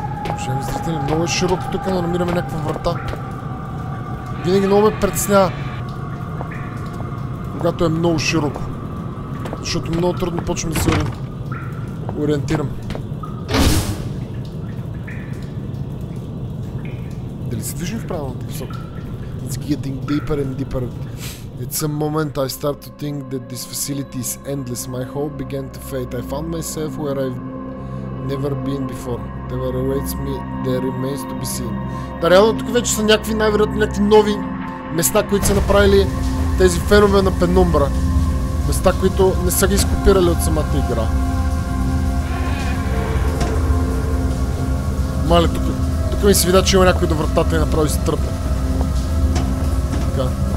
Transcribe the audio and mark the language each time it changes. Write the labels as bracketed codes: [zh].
[bg] Уважаеми зрители, много е широко тук, но намираме някаква врата. Винаги много ме притеснява. Когато е много широко. Защото много трудно почвам да се ориентирам. Дали се движим в правилната посока? [en] It's getting deeper and deeper. At some moment I start to think that this facility is endless. My hope began to fade. I found myself where I've never been before. Whatever awaits me, there remains to be seen. [bg] Да, реално тук вече са някакви най-вероятно някакви нови места, които са направили тези фенове на Пенумбра. Места, които не са ги изкопирали от самата игра. Мале, тук, тук ми се видя, че има някой до вратата и направи се тръпа. Така.